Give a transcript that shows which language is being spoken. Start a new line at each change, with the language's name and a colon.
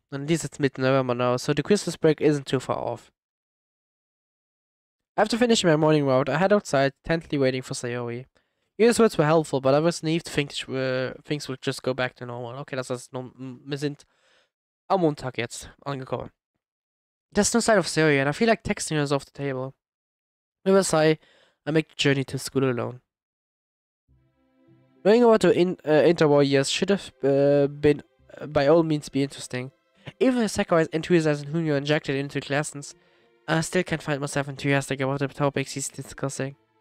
English: And this is mid November now, so the Christmas break isn't too far off. After finishing my morning route, I head outside, tentatively waiting for Sayori. Yuri's words were helpful, but I was naive to think things would just go back to normal.
German: Okay, das heißt, wir sind am Montag jetzt angekommen.
English: There's no sign of Sayori, and I feel like texting her is off the table. With a sigh, I make the journey to school alone. Knowing about the interwar years should have been by all means be interesting. Even the Sakurai's enthusiasm whom you injected into classes, I still can't find myself enthusiastic about the topics he's discussing.